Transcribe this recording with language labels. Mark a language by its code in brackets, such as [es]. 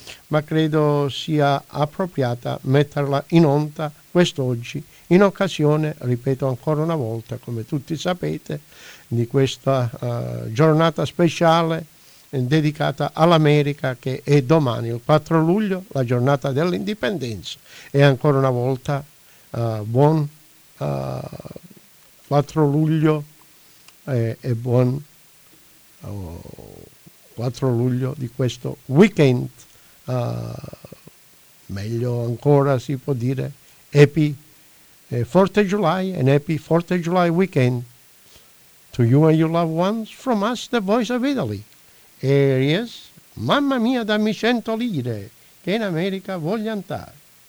[it] ma credo sia appropriata metterla in onda quest'oggi in occasione, ripeto ancora una volta, come tutti sapete, di questa giornata speciale dedicata all'America, che è domani, il 4 luglio, la giornata dell'indipendenza. E ancora una volta buon 4 luglio e buon 4 luglio di questo weekend. Meglio ancora si può dire [en] Happy 4th of July and Happy 4th of July weekend to you and your loved ones from us, the Voice of Italy. Here he is, [it] Mamma mia, dammi 100 lire che in America voglio andare.